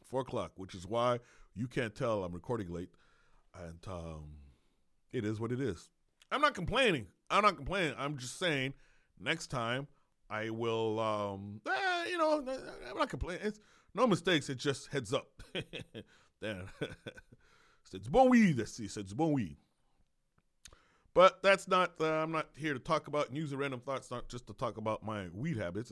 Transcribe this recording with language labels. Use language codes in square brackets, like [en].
[en] 4 o'clock, which is why you can't tell I'm recording late. And it is what it is. I'm not complaining. I'm just saying next time I will... I'm not complaining. It's... No mistakes, it's just heads up. Damn. [fr] C'est bon oui, c'est bon oui. [en] But that's not, I'm not here to talk about news and random thoughts, not just to talk about my weed habits.